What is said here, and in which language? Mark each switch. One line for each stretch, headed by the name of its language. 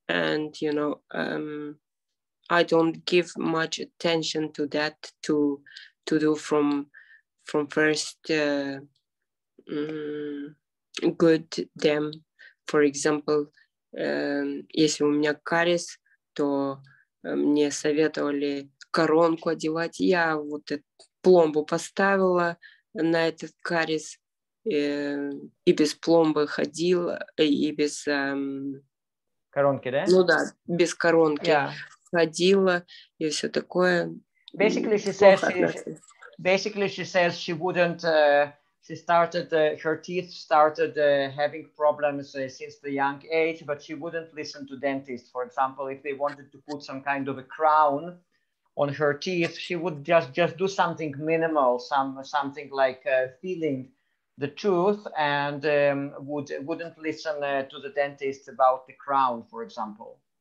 English: And, you know, I don't give much attention to that to do from first good them. For example,
Russian: если у меня кариес, то мне советовали коронку одевать. Я вот эту пломбу поставила на этот кариес и без пломбы ходила, и без коронки, да? Ну да, без коронки ходила и все такое.
English: Basically, she says she wouldn't. She started, her teeth started having problems since the young age, but she wouldn't listen to dentists. For example, if they wanted to put some kind of a crown on her teeth, she would just do something minimal, something like filling the tooth, and wouldn't listen to the dentist about the crown, for example.